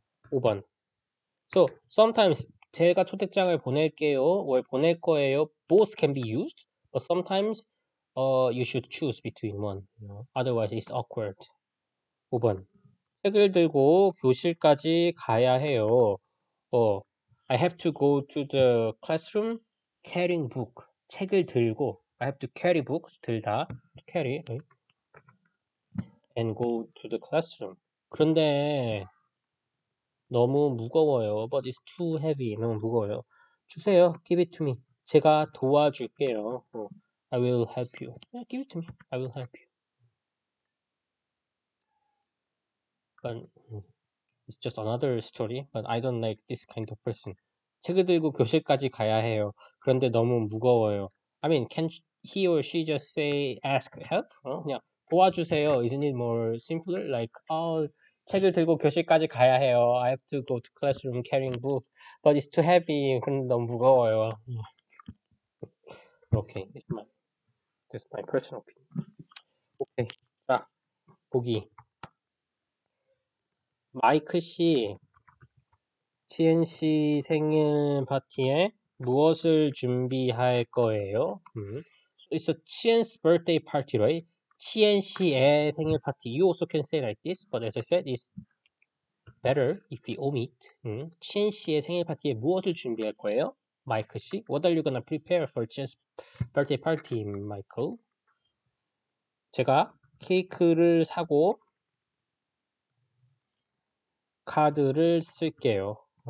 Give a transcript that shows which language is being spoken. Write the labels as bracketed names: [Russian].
[English] 5번. So, sometimes [Korean] 제가 초대장을 보낼게요, [English] or 보낼 거예요. Both can be used, but sometimes you should choose between one, you know. Otherwise it's awkward. 5번. [Korean] 책을 들고 교실까지 가야 해요. [English] I have to go to the classroom carrying book. 책을 들고. I have to carry book. 들다. Carry. Right? And go to the classroom. [Korean] 그런데 너무 무거워요. [English] But it's too heavy. [Korean] 너무 무거워요. [English] 주세요. Give it to me. [Korean] 제가 도와줄게요. [English] I will help you. Yeah, give it to me. I will help you. It's just another story, but I don't like this kind of person. [Korean] 책을 들고 교실까지 가야 해요. 그런데 너무 무거워요. [English] I mean, can he or she just say, ask help? [Korean] 그냥 도와주세요. [English] Isn't it more simpler? Like, oh, [Korean] 책을 들고 교실까지 가야 해요. [English] I have to go to classroom carrying book, but it's too heavy. [Korean] 근데 너무 무거워요. [English] Okay, this is my personal opinion. Okay, [Korean] 자, 보기. 마이크 씨, 지은 씨 생일 파티에 무엇을 준비할 거예요? [English] It's a Chien's birthday party, right? [Korean] Chien 씨의 생일 파티. [English] You also can say like this, but as I said, it's better if we omit. [Korean] 지은 씨의 생일 파티에 무엇을 준비할 거예요? [English] 마이크 씨, what are you gonna prepare for Chien's birthday party, Michael? [Korean] 제가 케이크를 사고 카드를 쓸게요.